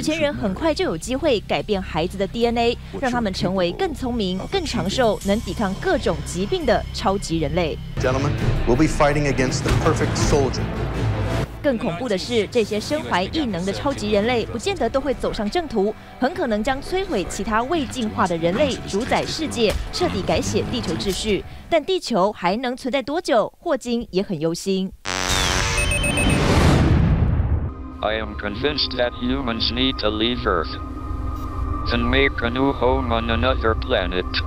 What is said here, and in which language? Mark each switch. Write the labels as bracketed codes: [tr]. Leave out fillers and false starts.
[zh] 电影《千钧一发》就是讲述未来的人类世界里，有钱人能选择优良基因，将达尔文适者生存论发挥得淋漓尽致。霍金预测，随着基因工程的演进，人类自我进化的诱因也会越来越大。有钱人很快就有机会改变孩子的 DNA， 让他们成为更聪明、更长寿、能抵抗各种疾病的超级人类。 [en] Gentlemen, we'll be fighting against the perfect soldier. [zh] 更恐怖的是，这些身怀异能的超级人类，不见得都会走上正途，很可能将摧毁其他未进化的人类，主宰世界，彻底改写地球秩序。但地球还能存在多久？霍金也很忧心。 [en] I am convinced that humans need to leave Earth and make a new home on another planet.